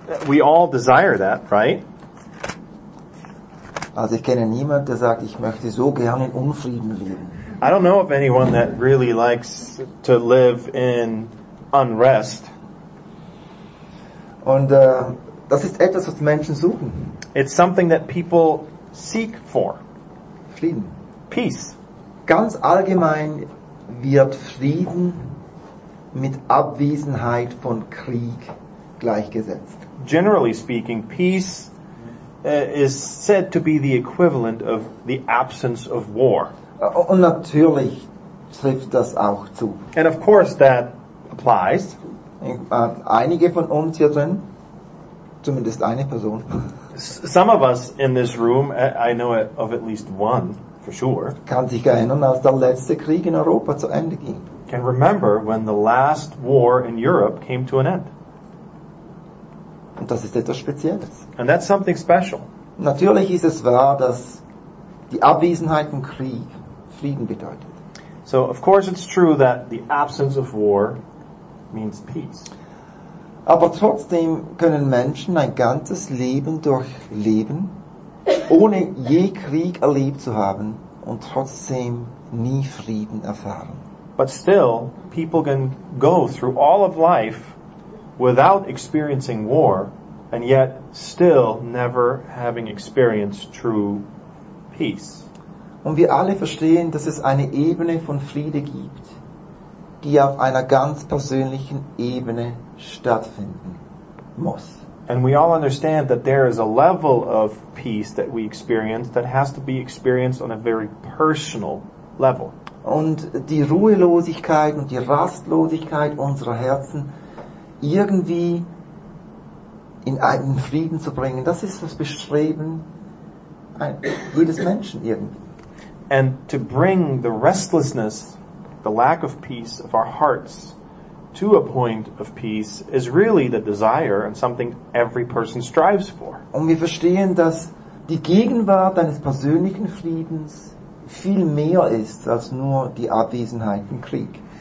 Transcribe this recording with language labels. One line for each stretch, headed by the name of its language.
English: We all desire that, right?
German: Also ich kenne niemanden, der sagt, ich möchte so gerne in Unfrieden leben.
English: I don't know of anyone that really likes to live in unrest.
German: Und das ist etwas, was Menschen suchen.
English: It's something that people seek for.
German: Frieden.
English: Peace.
German: Ganz allgemein wird Frieden mit Abwesenheit von Krieg gleichgesetzt.
English: Generally speaking, peace is said to be the equivalent of the absence of war.
German: Und natürlich trifft das auch zu.
English: And of course that applies.
German: Einige von uns hier drin, zumindest eine Person.
English: Some of us in this room, I know of at least one, for sure.
German: Kann sich erinnern, als der letzte Krieg in Europa zu Ende ging.
English: Can remember when the last war in Europe came to an end.
German: Und das ist etwas Spezielles.
English: And that's something special.
German: Natürlich ist es wahr, dass die Abwesenheit von Krieg Frieden bedeutet.
English: So, of course it's true that the absence of war means peace.
German: Aber trotzdem können Menschen ein ganzes Leben durchleben, ohne je Krieg erlebt zu haben und trotzdem nie Frieden erfahren.
English: But still, people can go through all of life without experiencing war and yet still never having experienced true peace.
German: Und wir alle verstehen, dass es eine Ebene von Friede gibt, die auf einer ganz persönlichen Ebene stattfinden muss.
English: And we all understand that there is a level of peace that we experience that has to be experienced on a very personal level.
German: Und die Ruhelosigkeit und die Rastlosigkeit unserer Herzen irgendwie in einen Frieden zu bringen, das ist das Bestreben jedes Menschen irgendwie.
English: And to bring the restlessness, the lack of peace of our hearts to a point of peace is really the desire and something every person strives for.
German: Und wir verstehen, dass die Gegenwart eines persönlichen Friedens viel mehr ist als nur die Abwesenheit im Krieg.